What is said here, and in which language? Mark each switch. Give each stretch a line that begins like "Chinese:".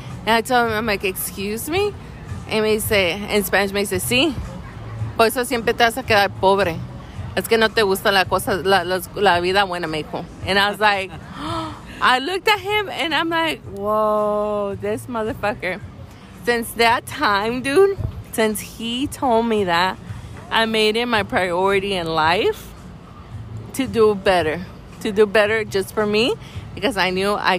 English: And I told him, I'm like, excuse me? And he said, in Spanish,
Spanish: me dice, sí. Por eso siempre te vas a quedar pobre. Es que no te gusta la cosa, la vida buena, mijo.
English: And I was like, oh. I looked at him and I'm like, whoa, this motherfucker. Since that time, dude, since he told me that, I made it my priority in life to do better just for me, because I knew I